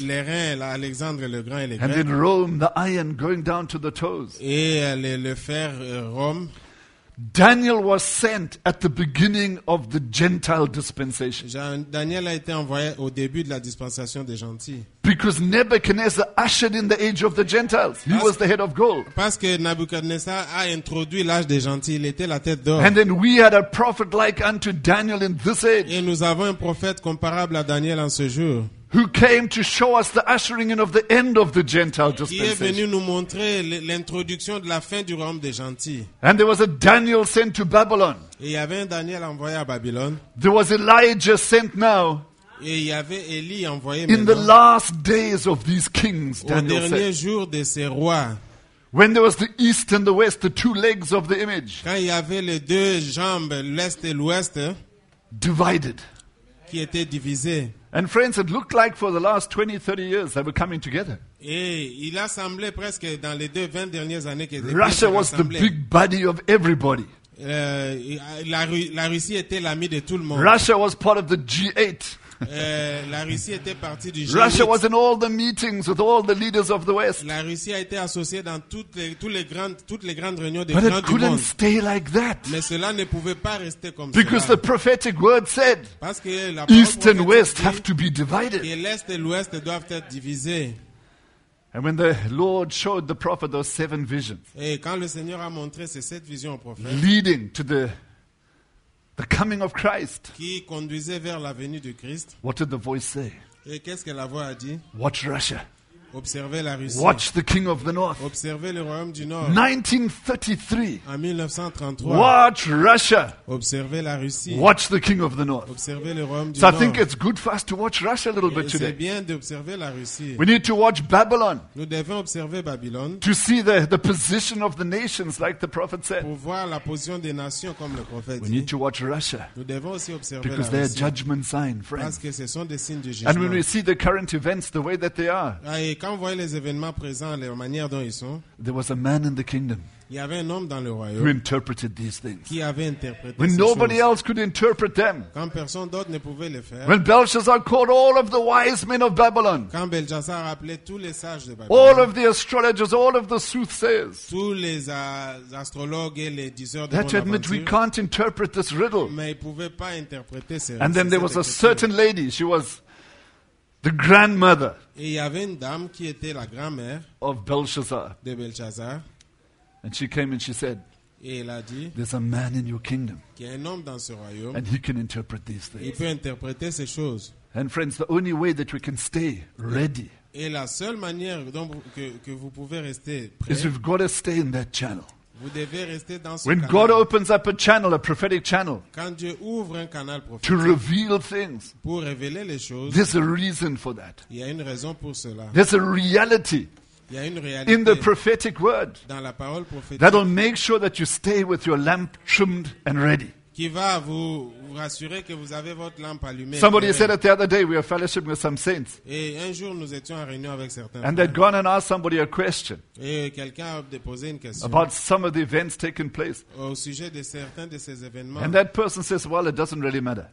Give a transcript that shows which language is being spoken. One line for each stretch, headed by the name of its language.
French: Les reins, Alexandre le Grand et les
English: and
French: Grecs.
English: And in Rome, the iron going down to the toes.
French: Et le fer Rome.
English: Daniel was sent at the beginning of the Gentile dispensation.
French: Daniel a été envoyé au début de la dispensation des gentils.
English: Because Nebuchadnezzar ushered in the age of the Gentiles. He was the head of gold.
French: Parce que Nebuchadnezzar a introduit l'âge des gentils, il était la tête d'or.
English: And then we had a prophet like unto Daniel in this age.
French: Et nous avons un prophète comparable à Daniel en ce jour.
English: Who came to show us the ushering in of the end of the Gentile dispensation.
French: Il est venu nous montrer l'introduction de la fin du royaume des gentils.
English: And there was a Daniel sent to Babylon.
French: Et il y avait un Daniel envoyé à Babylone.
English: There was Elijah sent now.
French: Et il y avait Élie envoyé
English: in the last days of these kings, Daniel
French: au dernier jour de ces rois.
English: When there was the east and the west, the two legs of the image.
French: Quand il y avait les deux jambes, l'est et l'ouest.
English: Divided.
French: Qui étaient divisés.
English: And friends, it looked like for the last 20, 30 years they were coming together.
French: Et il a semblé presque dans les deux 20 dernières années qu'ils étaient
English: Russia was the big buddy of everybody.
French: La Russie était l'ami de tout le monde.
English: Russia was part of the G8.
French: La Russie était partie du G8.
English: Russia was in all the meetings with all the leaders of the West.
French: La Russie a été associée dans toutes les grandes réunions des
English: but
French: grands du monde.
English: But it couldn't stay like that.
French: Mais cela ne pouvait pas rester comme
English: because
French: cela.
English: Because the prophetic word said,
French: parce que la
English: East and West have to be divided.
French: Et l'Est et l'Ouest doivent être divisés.
English: And when the Lord showed the prophet those seven visions,
French: et quand le Seigneur a montré ces sept visions au prophète,
English: leading to the coming of Christ,
French: qui conduisait vers la venue de Christ,
English: what did the voice say?
French: Et qu'est-ce que la voix a dit?
English: Watch Russia.
French: Observez la Russie.
English: Watch the King of the North.
French: Observez le royaume du Nord.
English: 1933.
French: En 1933.
English: Watch Russia.
French: Observez la Russie.
English: Watch the King of the North.
French: Observez le royaume du
English: so
French: Nord.
English: So I think it's good for us to watch Russia a little bit today.
French: C'est bien d'observer la Russie.
English: We need to watch Babylon.
French: Nous devons observer Babylone.
English: To see the position of the nations, like the prophet said.
French: Pour voir la position des nations comme le prophète dit.
English: We need to watch Russia.
French: Nous devons aussi observer
English: because
French: la Russie.
English: Because they are judgment signs, friends.
French: Parce que ce sont des signes du jugement.
English: And when we see the current events the way that they are.
French: Et quand vous voyez les événements présents, la manière dont ils sont,
English: there was a man in the kingdom
French: il y avait un homme dans le royaume
English: who interpreted these things.
French: Qui avait interprété
English: when
French: ces
English: nobody
French: choses.
English: Else could interpret them.
French: Quand personne d'autre ne pouvait les faire.
English: When Belshazzar called all of the wise men of Babylon.
French: Quand Belshazzar appelait tous les sages de Babylone.
English: All of the astrologers, all of the soothsayers.
French: Tous les astrologues et les diseurs de
English: that to admit we can't interpret this riddle.
French: Mais ils pouvaient pas interpréter ces
English: and then there was a certain lady, she was the grandmother.
French: Et il y avait une dame qui était la grand-mère
English: of Belshazzar.
French: De Belshazzar.
English: And she came and she said,
French: et elle a dit,
English: there's a man in your kingdom.
French: Qu'il y a un homme dans ce royaume.
English: And he can interpret these things.
French: Il peut interpréter ces choses.
English: And friends, the only way that we can stay ready.
French: Et la seule manière dont que vous pouvez rester prêt.
English: Is we've got to stay in that channel.
French: Vous devez rester dans ce
English: when
French: canal.
English: God opens up a channel, a prophetic channel,
French: quand Dieu ouvre un canal prophétique,
English: to reveal things,
French: pour révéler les choses,
English: there's a reason for that.
French: Il y a une raison pour cela.
English: There's a reality.
French: Il y a une réalité
English: in the prophetic word
French: dans la parole prophétique
English: that'll make sure that you stay with your lamp trimmed and ready.
French: Qui va vous rassurer que vous avez votre lampe allumée.
English: Somebody said it the other day, we were fellowshipping with some saints.
French: Et un jour, nous étions en réunion avec certains.
English: And they'd gone and asked somebody a question.
French: Et quelqu'un a déposé une question.
English: About some of the events taking place.
French: Au sujet de certains de ces événements.
English: And that person says, well, it doesn't really matter.